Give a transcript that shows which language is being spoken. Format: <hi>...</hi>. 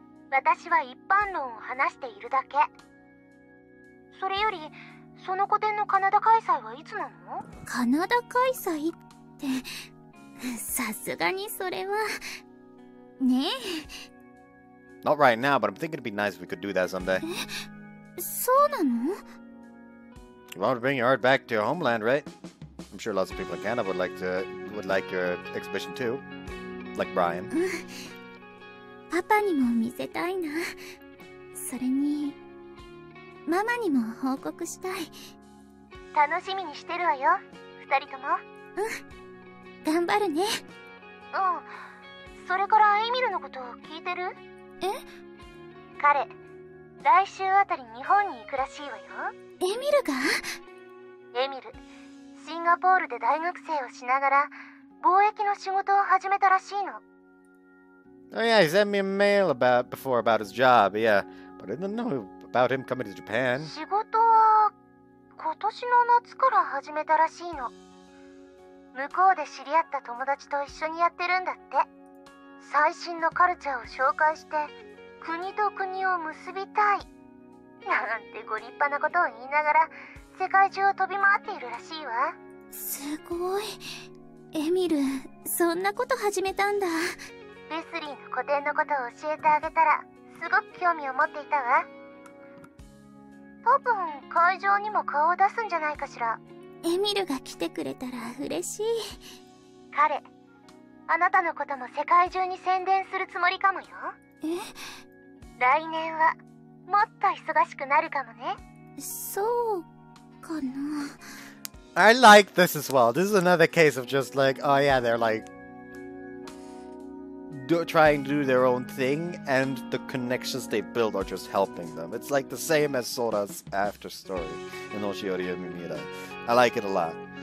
<ja>私は一般論を話しているだけ。それより、その個展のカナダ開催はいつなの？カナダ開催って、さすがにそれはねえ。</ja> <en>Not right now, but I'm thinking it'd be nice if we could do that someday.</en> <ja>え、そうなの？</ja> <en>You want to bring your art back to your homeland, right? I'm sure lots of people in Canada would like to would like your exhibition too, like Brian.</en> <ja>Papa にも見せたいな。それにママにも報告したい。楽しみにしてるわよ、二人とも。うん、頑張るね。うん。それからエミルのこと聞いてる？え？彼、来週あたり日本に行くらしいわよ。エミルが？エミル。シンガポールで大学生をしながら貿易の仕事を始めたらしいの。</ja> <en>Oh yeah, he sent me a mail about before about his job. Yeah, but I didn't know about him coming to Japan.</en> <ja>仕事は今年の夏から始めたらしいの。向こうで知り合った友達と一緒にやってるんだって。最新のカルチャーを紹介して国と国を結びたいなんてご立派なことを言いながら世界中を飛び回っているらしいわ。すごい、エミル、そんなこと始めたんだ。ベスリーの個展のことを教えてあげたらすごく興味を持っていたわ。多分会場にも顔を出すんじゃないかしら。エミルが来てくれたら嬉しい。彼、あなたのことも世界中に宣伝するつもりかもよ。え、来年はもっと忙しくなるかもね。そうかな。</ja> <en>I like this as well. This is another case of just like, oh yeah, they're like trying to do their own thing, and the connections they build are just helping them. It's like the same as Sora's after story in Oshiori and Mimira. I like it a lot.</en>